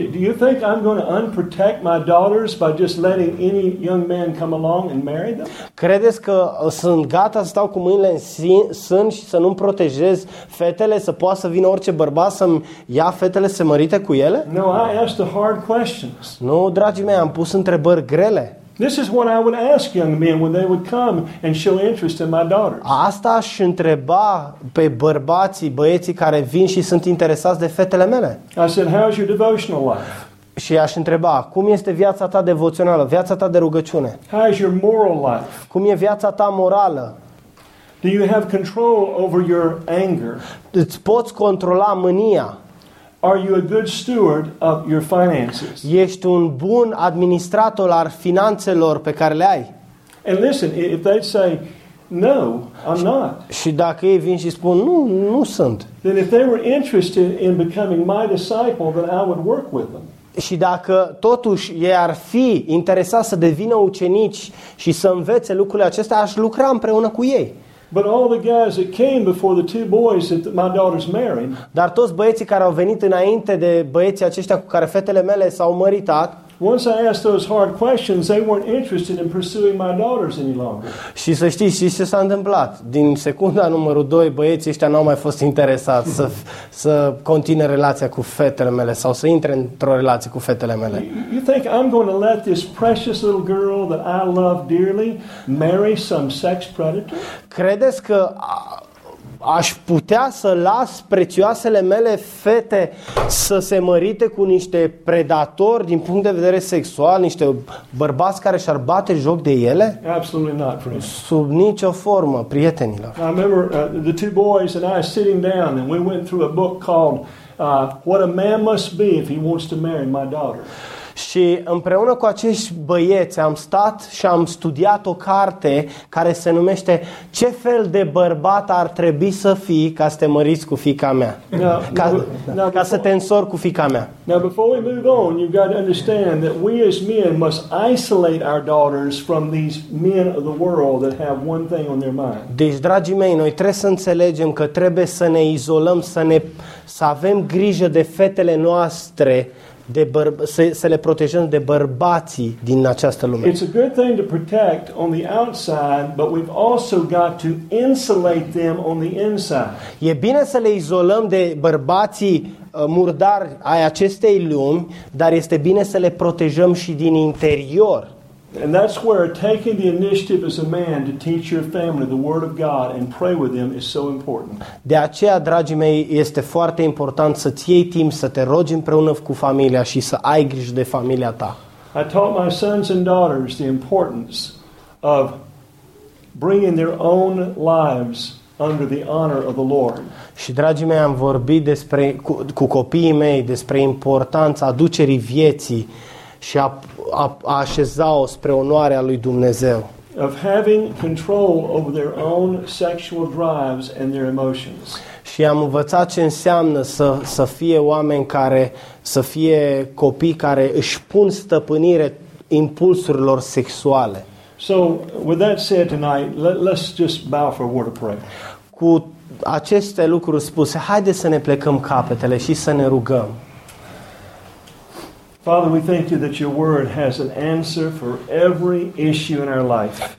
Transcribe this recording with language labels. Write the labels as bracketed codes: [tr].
[en] Do you think I'm going to unprotect my daughters by just letting any young man come along and marry them? [ro] Credeți că sunt gata să stau cu mâinile în sân și să nu-mi protejez fetele, să poată să vină orice bărbat să-mi ia fetele să mărite cu ele? [en] No, I asked the hard questions. [ro] Nu, dragii mei, am pus întrebări grele. [en] This is what I would ask young men when they would come and show interest in my daughters. [ro] Asta aș întreba pe bărbații, băieții care vin și sunt interesați de fetele mele. [en] I said, how's your devotional life? [ro] Și aș întreba, cum este viața ta devoțională, viața ta de rugăciune? [en] How's your moral life? [ro] Cum e viața ta morală? [en] Do you have control over your anger? [ro] Îți poți controla mânia? [en] Are you a good steward of your finances? [ro] Ești un bun administrator al finanțelor pe care le ai? [en] And listen, if they say no, I'm not. [ro] Și dacă ei vin și spun nu, nu sunt. [en] Then if they were interested in becoming my disciple, then I would work with them. [ro] Și dacă totuși ei ar fi interesați să devină ucenici și să învețe lucrurile acestea, aș lucra împreună cu ei. [en] But all the guys that came before the two boys that my daughters married. [ro] Dar toți băieții care au venit înainte de băieții aceștia cu care fetele mele s-au măritat. [en] Once I asked those hard questions, they weren't interested in pursuing my daughters any longer. [ro] Și să știți, știți ce s-a întâmplat? Din secunda numărul 2, băieții ăștia n-au mai fost interesați să continue relația cu fetele mele sau să intre într-o relație cu fetele mele. [en] You think I'm going to let this precious little girl that I love dearly marry some sex predator? [ro] Credeți că aș putea să las prețioasele mele fete să se mărite cu niște predatori din punct de vedere sexual, niște bărbați care și-ar bate joc de ele? [en] Absolutely not, friend. [ro] Sub nicio formă, prietenilor. [en] I remember the two boys and I sitting down and we went through a book called What a Man Must Be If He Wants to Marry My Daughter. [ro] Și împreună cu acești băieți am stat și am studiat o carte care se numește Ce fel de bărbat ar trebui să fii ca să te măriți cu fiica mea? Ca să te însori cu fiica mea. [en] Now before we move on, you've got to understand that we as men must isolate our daughters from these men of the world that have one thing on their mind. [ro] Deci, dragii mei, noi trebuie să înțelegem că trebuie să ne izolăm, să avem grijă de fetele noastre. Să le protejăm de bărbații din această lume. [en] It's a good thing to protect on the outside, but we've also got to insulate them on the inside. [ro] E bine să le izolăm de bărbații murdari ai acestei lumi, dar este bine să le protejăm și din interior. [en] And that's where taking the initiative as a man to teach your family the word of God and pray with them is so important. [ro] De aceea, dragii mei, este foarte important să ți iei timp să te rogi împreună cu familia și să ai grijă de familia ta. [en] I taught my sons and daughters the importance of bringing their own lives under the honor of the Lord. [ro] Și dragii mei, am vorbit despre cu copiii mei despre importanța aducerii vieții și a așeza-o spre onoarea lui Dumnezeu. [en] Of having control over their own sexual drives and their emotions. [ro] Și am învățat ce înseamnă să fie oameni care, să fie copii care își pun stăpânire impulsurilor sexuale. [en] So with that said tonight, let's just bow for a word of prayer. [ro] Cu aceste lucruri spuse, haideți să ne plecăm capetele și să ne rugăm. [en] Father, we thank you that your word has an answer for every issue in our life.